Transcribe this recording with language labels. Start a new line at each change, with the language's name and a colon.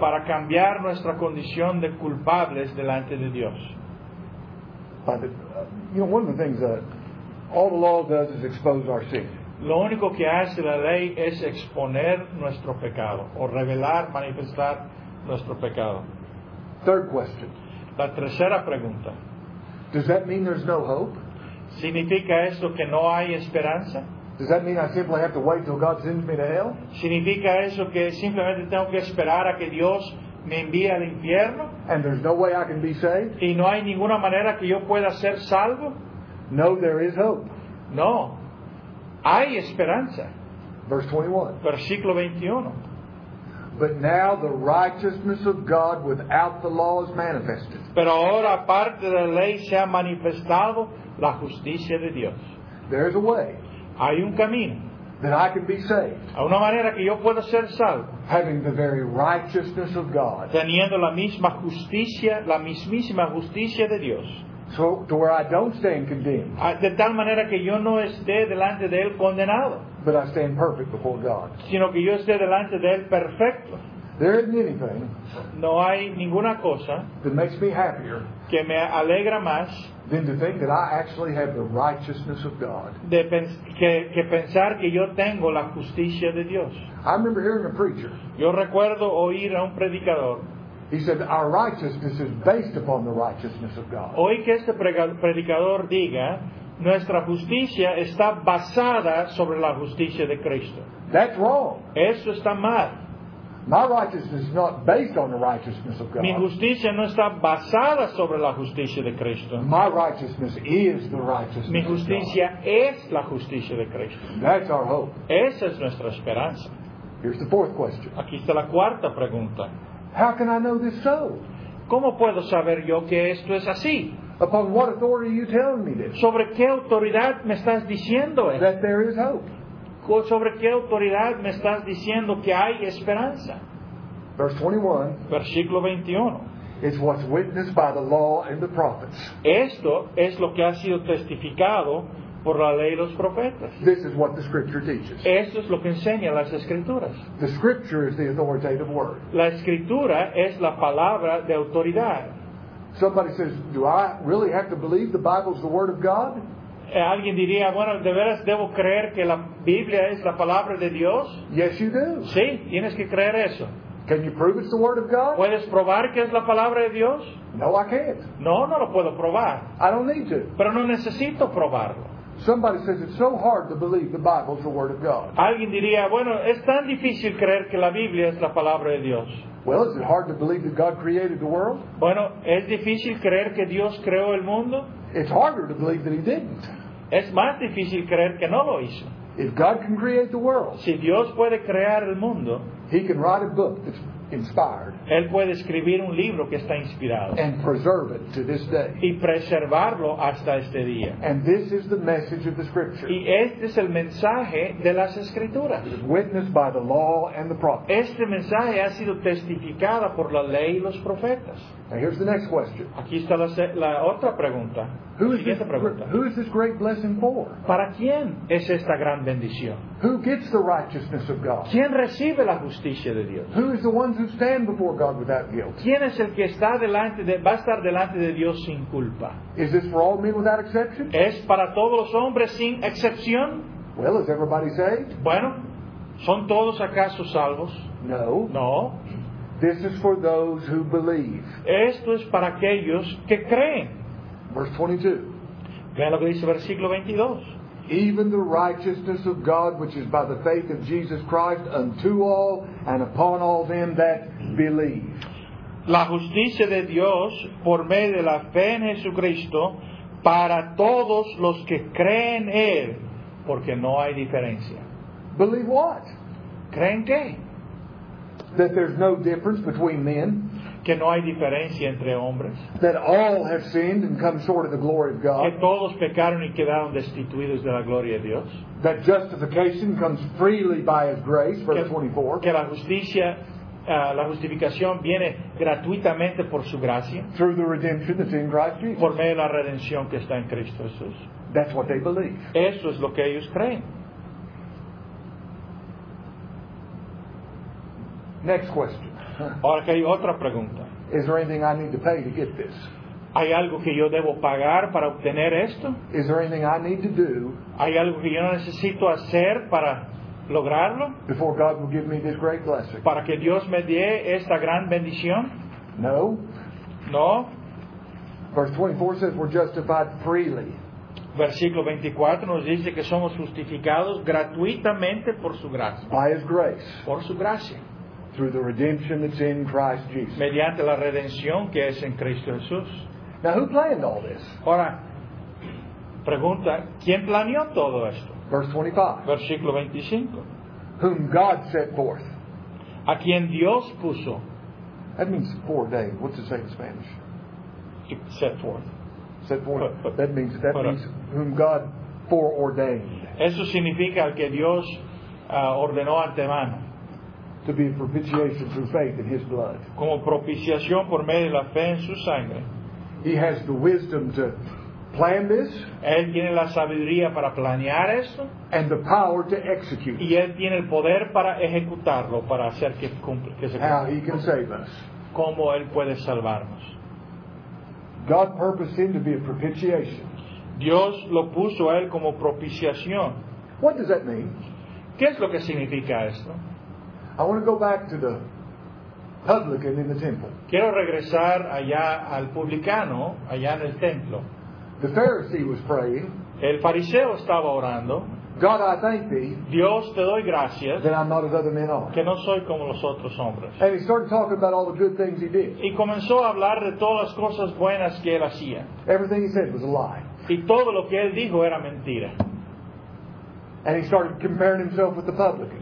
Spanish: Para cambiar nuestra condición de culpables delante de Dios.
English: You know, one of the things that all the law does is expose our sin.
Spanish: Lo único que hace la ley es exponer nuestro pecado o revelar, manifestar nuestro pecado.
English: Third question.
Spanish: La tercera pregunta.
English: Does that mean there's no hope?
Spanish: ¿Significa esto que no hay esperanza?
English: Does that mean I simply have to wait till God sends me to hell?
Spanish: ¿Significa eso que simplemente tengo que esperar a que Dios me envía al infierno?
English: And there's no way I can be saved?
Spanish: ¿Y no hay ninguna manera que yo pueda ser salvo?
English: No, there is hope.
Spanish: No, hay esperanza.
English: Verse 21.
Spanish: Versículo 21.
English: But now the righteousness of God without the law is manifested.
Spanish: Pero ahora aparte de la ley se ha manifestado la justicia de Dios.
English: There is a way.
Spanish: Hay un camino.
English: That I can be saved.
Spanish: A una manera que yo pueda ser salvo.
English: Having the very righteousness of God.
Spanish: Teniendo la misma justicia, la mismísima justicia de Dios.
English: So to where I don't stand condemned.
Spanish: De tal manera que yo no esté delante de él condenado.
English: But I stand perfect before God.
Spanish: Sino que yo esté delante de él perfecto.
English: There isn't anything.
Spanish: No hay ninguna cosa.
English: That makes me happier.
Spanish: Que me alegra más.
English: Than to think that I actually have the righteousness of God.
Spanish: De que pensar que yo tengo la justicia de Dios.
English: I remember hearing a preacher.
Spanish: Yo recuerdo oír a un predicador.
English: He said our righteousness is based upon the righteousness of God.
Spanish: Oí que este predicador diga, nuestra justicia está basada sobre la justicia de Cristo.
English: That's wrong.
Spanish: Eso está mal.
English: My righteousness is not based on the righteousness of God.
Spanish: Mi justicia no está basada sobre la justicia de Cristo.
English: My righteousness is the righteousness of God.
Spanish: Mi justicia es la justicia de Cristo.
English: That's our hope.
Spanish: Esa es nuestra esperanza.
English: Here's the fourth question.
Spanish: Aquí está la cuarta pregunta.
English: How can I know this so?
Spanish: ¿Cómo puedo saber yo que esto es así?
English: Upon what authority are you telling me this?
Spanish: ¿Sobre qué autoridad me estás diciendo esto?
English: That there is hope.
Spanish: ¿Sobre qué autoridad me estás diciendo que hay esperanza?
English: Verse 21.
Spanish: Versículo 21.
English: It's what's witnessed by the law and the prophets.
Spanish: Esto es lo que ha sido testificado por la ley y los profetas.
English: This is what the scripture teaches.
Spanish: Esto es lo que enseñan las escrituras.
English: The scripture is the authoritative word.
Spanish: La escritura es la palabra de autoridad.
English: Somebody says, do I really have to believe the Bible is the word of God?
Spanish: Alguien diría, bueno, ¿de veras debo creer que la Biblia es la palabra de Dios?
English: Yes, you do.
Spanish: Sí, tienes que creer eso.
English: Can you prove it's the word of God?
Spanish: ¿Puedes probar que es la palabra de Dios?
English: No, I can't.
Spanish: No, no lo puedo probar.
English: I don't need to.
Spanish: Pero no necesito probarlo.
English: Somebody says it's so hard to believe the Bible is the word of God.
Spanish: Alguien diría, bueno, es tan difícil creer que la Biblia es la palabra de Dios.
English: Well, is it hard to believe that God created the world?
Spanish: Bueno, ¿es difícil creer que Dios creó el mundo?
English: It's harder to believe that He didn't.
Spanish: Es más difícil creer que no lo hizo.
English: If God can create the world,
Spanish: si Dios puede crear el mundo,
English: He can write a book that's inspired.
Spanish: Él puede escribir un libro que está inspirado.
English: And preserve it to this day.
Spanish: Y preservarlo hasta este día.
English: And this is the message of the scripture.
Spanish: Y este es el mensaje de las escrituras.
English: It is witnessed by the law and the prophets.
Spanish: Este mensaje ha sido testificado por la ley y los profetas.
English: Now here's the next question.
Spanish: Aquí está la otra pregunta.
English: Who is this great blessing for?
Spanish: ¿Para quién es esta gran bendición?
English: Who gets the righteousness of God?
Spanish: ¿Quién recibe la justicia de Dios?
English: Who is the ones who stand before God without guilt?
Spanish: ¿Quién es el que está va a estar delante de Dios sin culpa?
English: Is this for all men without exception?
Spanish: ¿Es para todos los hombres sin excepción?
English: Well, is everybody saved?
Spanish: Bueno, ¿son todos acaso salvos?
English: No.
Spanish: No.
English: This is for those who believe.
Spanish: Esto es para aquellos que creen.
English: Verse 22.
Spanish: Vean lo que dice versículo 22.
English: Even the righteousness of God, which is by the faith of Jesus Christ, unto all and upon all them that believe.
Spanish: La justicia de Dios por medio de la fe en Jesucristo para todos los que creen Él, porque no hay diferencia.
English: Believe what?
Spanish: ¿Creen qué?
English: That there's no difference between men.
Spanish: Que no hay diferencia entre hombres.
English: That all have sinned and come short of the glory of God.
Spanish: Que todos pecaron y quedaron destituidos de la gloria de Dios.
English: That justification comes freely by His grace, verse 24.
Spanish: Que la justicia, la justificación viene gratuitamente por su gracia.
English: Through the redemption that's in Christ Jesus.
Spanish: Por medio de la redención que está en Cristo Jesús.
English: That's what they believe.
Spanish: Eso es lo que ellos creen.
English: Next question.
Spanish: Ahora que hay otra pregunta.
English: Is there anything I need to pay to get this?
Spanish: ¿Hay algo que yo debo pagar para obtener esto?
English: Is there anything I need to do?
Spanish: ¿Hay algo que yo necesito hacer para lograrlo?
English: Before God will give me this great blessing.
Spanish: ¿Para que Dios me dé esta gran bendición?
English: No.
Spanish: No.
English: Verse 24 says we're justified freely.
Spanish: Versículo 24 nos dice que somos justificados gratuitamente por su gracia.
English: By His grace.
Spanish: Por su gracia.
English: Through the redemption that's in Christ Jesus.
Spanish: Mediante la redención que es en Cristo Jesús.
English: Now, who planned all this?
Spanish: Ahora, pregunta, ¿quién planeó todo esto?
English: Verse 25.
Spanish: Versículo 25.
English: Whom God set forth.
Spanish: A quien Dios puso.
English: That means foreordained. What's it say in Spanish? Set forth. Set forth. That means whom God foreordained.
Spanish: Eso significa al que Dios ordenó antemano.
English: To be a propitiation through faith in His blood.
Spanish: Como propiciación por medio de la fe en su sangre.
English: He has the wisdom to plan this.
Spanish: Él tiene la sabiduría para planear esto.
English: And the power to execute.
Spanish: Y él tiene el poder para ejecutarlo, para hacer que cumpla. Que se cumpla.
English: How He can save us.
Spanish: Cómo él puede salvarnos.
English: God purposed Him to be a propitiation.
Spanish: Dios lo puso a él como propiciación.
English: What does that mean?
Spanish: ¿Qué es lo que significa esto?
English: I want to go back to the publican in the temple.
Spanish: Quiero regresar allá al publicano, allá en el templo.
English: The Pharisee was praying.
Spanish: El fariseo estaba orando.
English: God, I thank thee.
Spanish: Dios, te doy gracias.
English: That I'm not as other men are.
Spanish: Que no soy como los otros hombres.
English: And he started talking about all the good things he did.
Spanish: Y comenzó a hablar de todas las cosas buenas que él hacía.
English: Everything he said was a lie.
Spanish: Y todo lo que él dijo era mentira.
English: And he started comparing himself with the publican.